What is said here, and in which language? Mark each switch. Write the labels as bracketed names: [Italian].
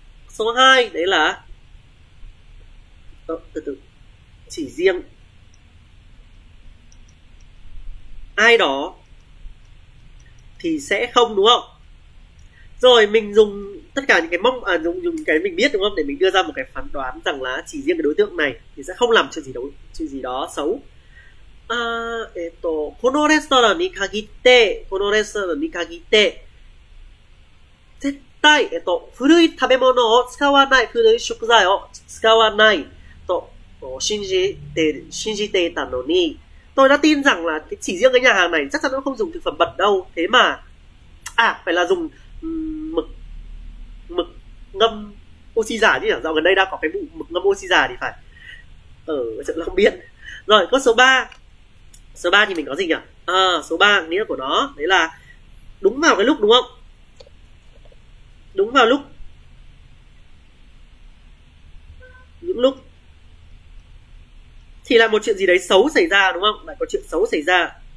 [Vietnamese] Số 2 đấy là từ từ chỉ riêng ai đó thì sẽ không đúng không? Rồi mình dùng tất cả những cái mong à, dùng dùng cái mình biết đúng không, để mình đưa ra một cái phán đoán rằng là chỉ riêng cái đối tượng này thì sẽ không làm chuyện gì đó xấu. [Japanese] この restaurant に限って絶対古い食べ物を使わない、古い食材を使わないと信じていたのに。 [Vietnamese] tôi đã tin rằng là chỉ riêng cái nhà hàng này chắc chắn nó không dùng thực phẩm bẩn đâu, thế mà à phải là dùng mực mực ngâm oxy giả chứ nhỉ, dạo gần đây đang có cái vụ mực ngâm oxy giả thì phải, ở chợ Long Biên. Rồi có số 3, số 3 thì mình có gì nhỉ, à, số 3 nghĩa của nó đấy là đúng vào cái lúc đúng không, đúng vào lúc những lúc thì là một chuyện gì đấy xấu xảy ra đúng không, lại có chuyện xấu xảy ra